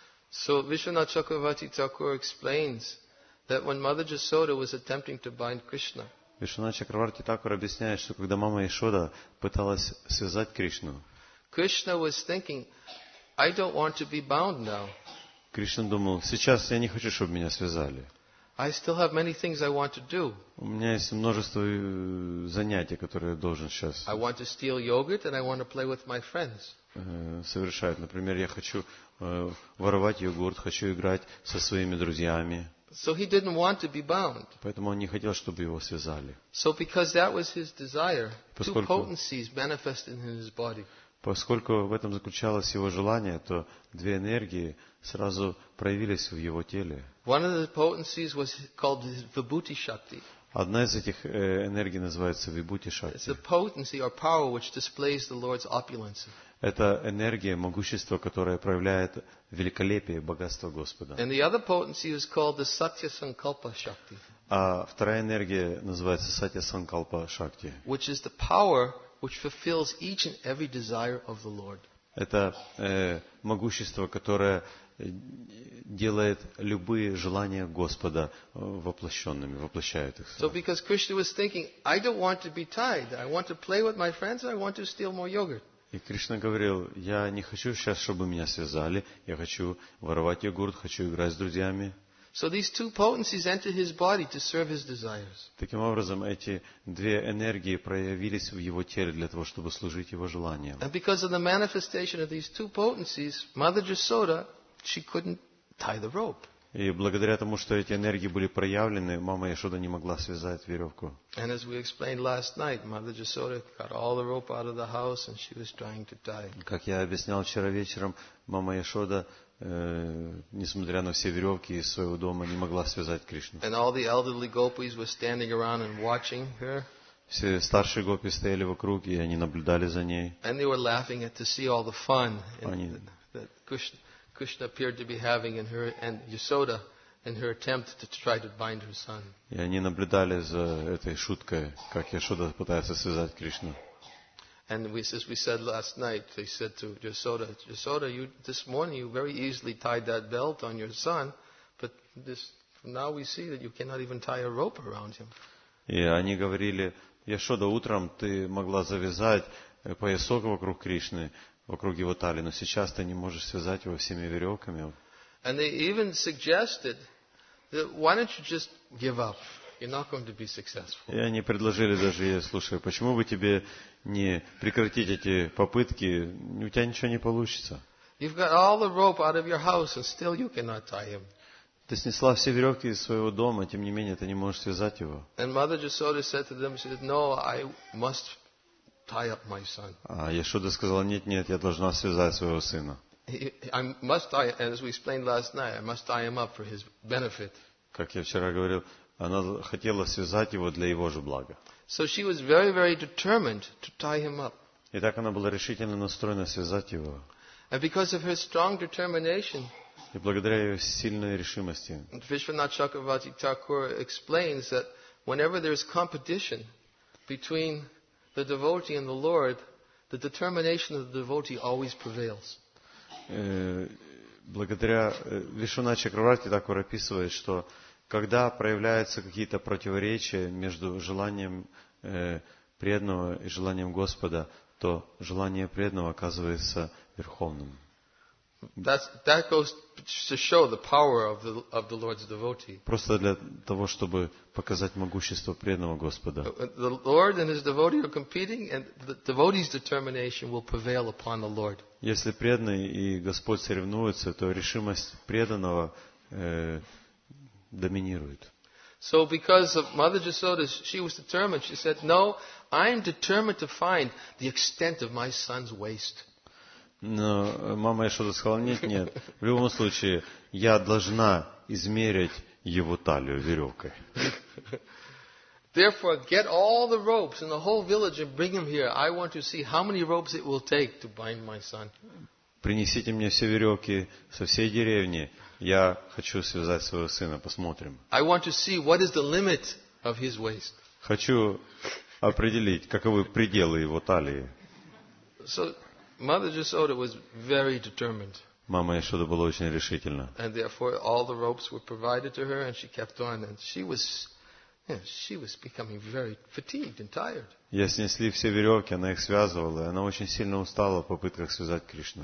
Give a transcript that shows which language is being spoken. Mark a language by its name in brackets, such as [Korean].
[English] So Vishwanath Chakravarti Thakur explains that when Mother Jasoda was attempting to bind Krishna. [Russian] Vishwanath Chakravarti Thakur объясняет, что когда мама Яшода пыталась связать Кришну. [English] Krishna was thinking, I don't want to be bound now. [Russian] Кришна думал, сейчас я не хочу, чтобы меня связали. [English] I still have many things I want to do. [Russian] У меня есть множество занятий, которые я должен сейчас. [English] I want to steal yogurt and I want to play with my friends. [Russian] Совершает. Например, я хочу воровать йогурт, хочу играть со своими друзьями. [English] So he didn't want to be bound. [Russian] Поэтому он не хотел, чтобы его связали. [English] So because that was his desire, two potencies manifested in his body. [Russian] Поскольку в этом заключалось его желание, то две энергии сразу проявились в его теле. [English] One of the potencies was called Vibhuti Shakti. [Russian] Одна из этих энергий называется Vibhuti Shakti. [English] It's the potency or power which displays the Lord's opulence. [Russian] Это энергия, могущество, которое проявляет великолепие и богатство Господа. [English] And the other potency is called the Satya Sankalpa Shakti. [Russian] А вторая энергия называется Satya Sankalpa Shakti. [English] Which is the power which fulfills each and every desire of the Lord. [Russian] Это могущество, которое делает любые желания Господа воплощенными, воплощает их. [English] So because Krishna was thinking, I don't want to be tied. I want to play with my friends and I want to steal more yogurt. [Russian] И Кришна говорил, я не хочу сейчас, чтобы меня связали, я хочу воровать йогурт, хочу играть с друзьями. [English] So these two potencies enter his body to serve his desires. [Russian] Таким образом, эти две энергии проявились в его теле для того, чтобы служить его желаниям. [English] And because of the manifestation of these two potencies, Mother Jasoda, she couldn't tie the rope. [Russian] И благодаря тому, что эти энергии были проявлены, мама Яшода не могла связать веревку. [English] And as we explained last night, Mother Jasoda got all the rope out of the house and she was trying to tie. [Russian] Как я объяснял вчера вечером, мама Яшода, несмотря на все веревки из своего дома, не могла связать Кришну. [English] And all the elderly gopis were standing around and watching her. [Russian] Все старшие гопи стояли вокруг и они наблюдали за ней. [English] And they were laughing at to see all the fun that Krishna appeared to be having in her and Yasoda in her attempt to try to bind her son. [Russian] И они наблюдали за этой шуткой, как Яшода пытается связать Кришну. [English] And as we said last night, they said to Yasoda, Yasoda, you this morning you very easily tied that belt on your son, but this now we see that you cannot even tie a rope around him. [Russian] И они говорили, Яшода, утром ты могла завязать поясок вокруг Кришны, вокруг его талии, но сейчас ты не можешь связать его всеми веревками. [English] And they even suggested that why don't you just give up? You're not going to be successful. [Russian] И они предложили даже ей, слушай, почему бы тебе не прекратить эти попытки? У тебя ничего не получится. [English] You've got all the rope out of your house and still you cannot tie him. [Russian] Ты снесла все веревки из своего дома, тем не менее ты не можешь связать его. [English] And Mother Jasoda said to them, she said, no, I must tie up my son. [Russian] А Яшода сказала, нет, я должна связать своего сына. [English] I must tie, and as we explained last night, I must tie him up for his benefit. [Russian] Как я вчера говорил, она хотела связать его для его же блага. [English] So she was very, very determined to tie him up. [Russian] И так она была решительно настроена связать его. [English] And because of her strong determination, [Russian] и благодаря ее сильной решимости, [English] Vishwanath Chakravarti Thakur explains that whenever there is competition between the devotee and the Lord, The determination of the devotee always prevails. [Russian] Благодаря Вишуна Чакраварти такой описывает, что когда проявляются какие-то противоречия между желанием преданного и желанием Господа, то желание преданного оказывается верховным. [English] That goes to show the power of the Lord's devotee. [Russian] Просто для того, чтобы показать могущество преданного Господа. [English] The Lord and his devotee are competing, and the devotee's determination will prevail upon the Lord. [Russian] Если преданный и Господь соревнуются, то решимость преданного доминирует. [English] So because of Mother Jasoda, she was determined. She said, "No, I'm determined to find the extent of my son's waste." [Russian] Но мама Яшода сказала, нет. В любом случае, я должна измерить его талию веревкой. [English] Therefore, get all the ropes in the whole village and bring them here. I want to see how many ropes it will take to bind my son. [Russian] Принесите мне все веревки со всей деревни. Я хочу связать своего сына. Посмотрим. [English] I want to see what is the limit of his waist. [Russian] Хочу определить, каковы пределы его талии. [English] So, Mother Jasoda was very determined. [Russian] Мама Яшода была очень решительна. [English] And therefore all the ropes were provided to her and she kept on, and she was becoming very fatigued and tired. [Russian] Ей снесли все веревки, она их связывала, и она очень сильно устала в попытках связать Кришну.